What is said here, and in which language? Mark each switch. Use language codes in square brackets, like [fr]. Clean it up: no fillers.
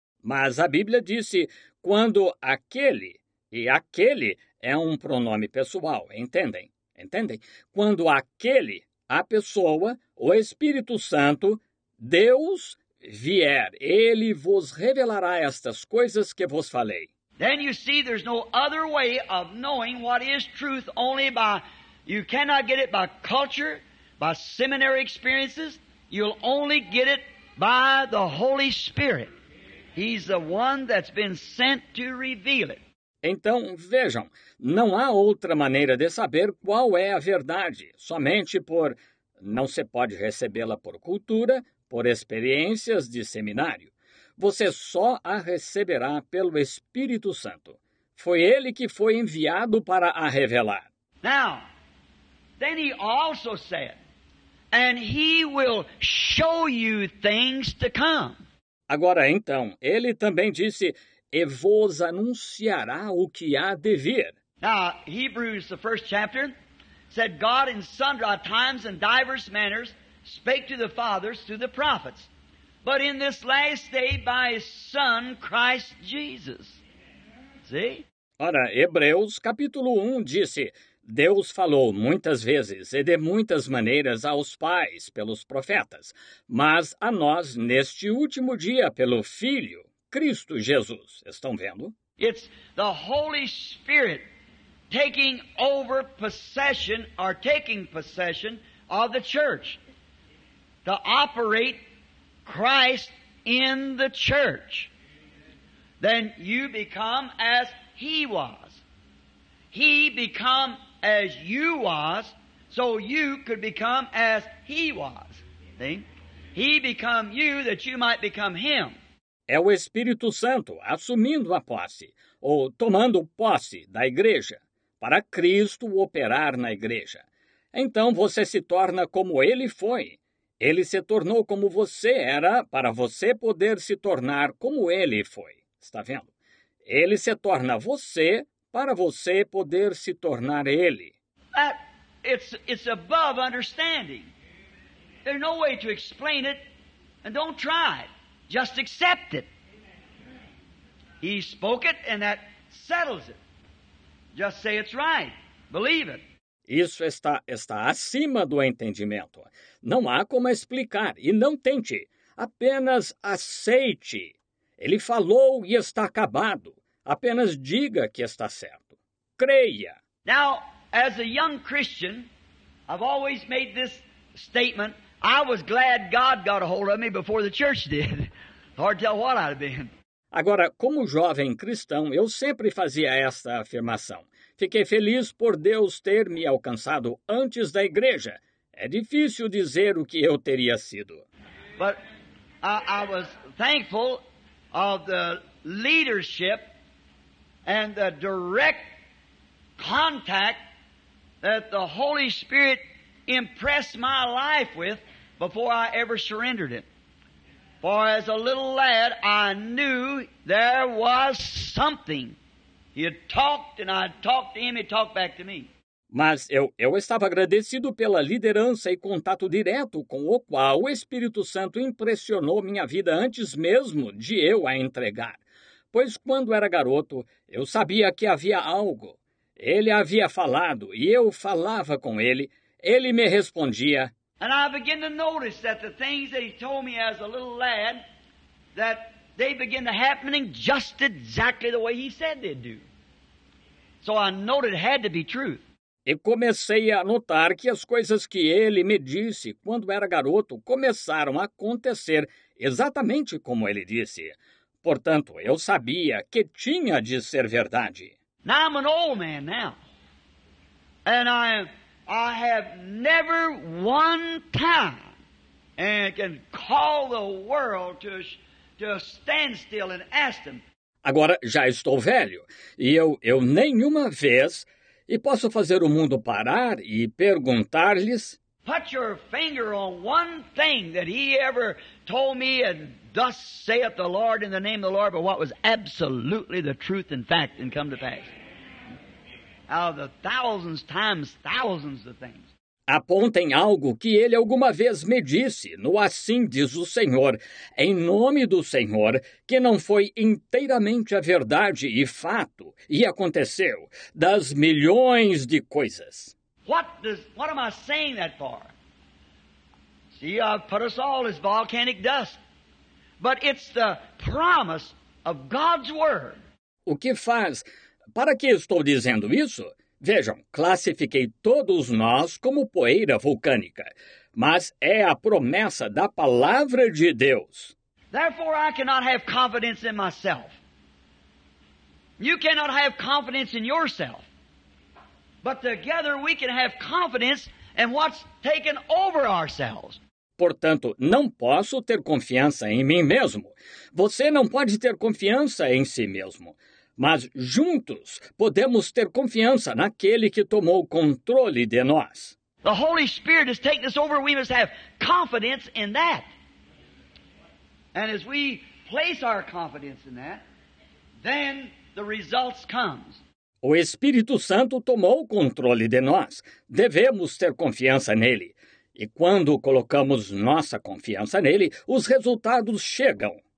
[pt] Mas a Bíblia disse, quando aquele, e aquele é um pronome pessoal, entendem? Entendem? Quando aquele, a pessoa, o Espírito Santo, Deus, vier, ele vos revelará estas coisas que vos falei. [en] Then you see there's no other way of knowing what is truth only by... You cannot get it by culture, by seminary experiences. You'll only get it by the Holy Spirit. He's the one that's been sent to reveal it. [pt] Então, vejam, não há outra maneira de saber qual é a verdade, somente por... Não se pode recebê-la por cultura, por experiências de seminário. Você só a receberá pelo Espírito Santo. Foi ele que foi enviado para a revelar. [en] Now, then he also said, and he will show you things to come. [pt] Agora então, ele também disse, e vos anunciará o que há de vir. [en] Now, Hebrews, the first chapter, said, God in sundry times and diverse manners spake to the fathers through the prophets, but in this last day by his Son, Christ Jesus. See? [pt] Ora, Hebreus, capítulo 1, disse, Deus falou muitas vezes e de muitas maneiras aos pais pelos profetas, mas a nós neste último dia pelo Filho, Cristo Jesus. Estão vendo? [en] It's the Holy Spirit taking over possession or taking possession of the church to operate Christ in the church. Then you become as he was. He become as you was, so you could become as he was. See? He become you that you might become him. [pt] É o Espírito Santo assumindo a posse, ou tomando posse da igreja, para Cristo operar na igreja. Então você se torna como ele foi. Ele se tornou como você era, para você poder se tornar como ele foi. Está vendo? Ele se torna você, para você poder se tornar ele. [en] It's above understanding. There's no way to explain it. And don't try it. Just accept it. He spoke it and that settles it. Just say it's right. Believe it. [pt] Isso está acima do entendimento. Não há como explicar e não tente. Apenas aceite. Ele falou e está acabado. Apenas diga que está certo. Creia. [en] Now, as a young Christian, I've always made this statement. I was glad God got a hold of me before the church did. Hard to tell what I'd have been. [pt] Agora, como jovem cristão, eu sempre fazia esta afirmação. Fiquei feliz por Deus ter me alcançado antes da igreja. É difícil dizer o que eu teria sido. [en] But I was thankful of the leadership and the direct contact that the Holy Spirit impressed my life with before I ever surrendered it. For as a little lad, I knew there was something. He had talked and I talked to him, he talked back to me. [pt] Mas eu estava agradecido pela liderança e contato direto com o qual o Espírito Santo impressionou minha vida antes mesmo de eu a entregar. Pois quando era garoto, eu sabia que havia algo. Ele havia falado e eu falava com ele. Ele me respondia. [en] And I began to notice that the things that he told me as a little lad, that they began to happen just exactly the way he said they'd do. So I noted it had to be truth. [pt] E comecei a notar que as coisas que ele me disse quando era garoto começaram a acontecer exatamente como ele disse. Portanto, eu sabia que tinha de ser verdade. [en] Now I'm an old man now. And I have never one time and can call the world to stand still and ask them. [pt] Agora já estou velho e eu nenhuma vez e posso fazer o mundo parar e perguntar-lhes. [en] Put your finger on one thing that he ever told me and thus saith the Lord in the name of the Lord, but what was absolutely the truth and fact and come to pass. Out of the thousands times thousands of things. [pt] Apontem algo que ele alguma vez me disse, no assim diz o Senhor, em nome do Senhor, que não foi inteiramente a verdade e fato, e aconteceu, das milhões de coisas. [en] What am I saying that for? See, I've put us all as volcanic dust. But it's the promise of God's word. [pt] O que faz? Para que estou dizendo isso? Vejam, classifiquei todos nós como poeira vulcânica, mas é a promessa da palavra de Deus. [en] Therefore, I cannot have confidence in myself. You cannot have confidence in yourself. But together we can have confidence in what's taken over ourselves. [pt] Portanto, não posso ter confiança em mim mesmo. Você não pode ter confiança em si mesmo. Mas juntos podemos ter confiança naquele que tomou controle de nós. [en] The Holy Spirit has taken us over. We must have confidence in that. And as we place our confidence in that, then the results come. [pt] O Espírito Santo tomou controle de nós. Devemos ter confiança nele. E quando colocamos nossa confiança nele, os resultados chegam.